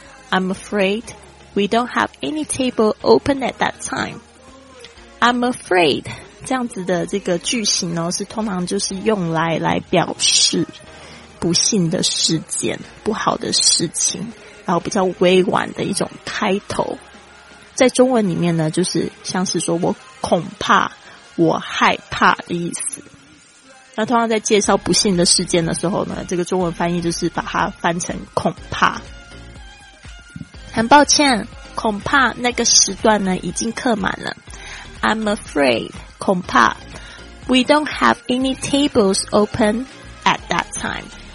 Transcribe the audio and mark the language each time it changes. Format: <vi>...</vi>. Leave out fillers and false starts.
<en>I'm afraid we don't have any table open at that time. I'm afraid</en> <zh>这样子的这个句型呢是通常就是用来表示不幸的事件、不好的事情，然后比较委婉的一种开头。在中文里面呢就是像是说我恐怕、我害怕的意思。那通常在介绍不幸的事件的时候呢，这个中文翻译就是把它翻成恐怕。很抱歉，恐怕那个时段呢已经客满了。</zh> <en>I'm afraid</en> <zh>恐怕</zh> <en>We don't have any tables open at that time。</en>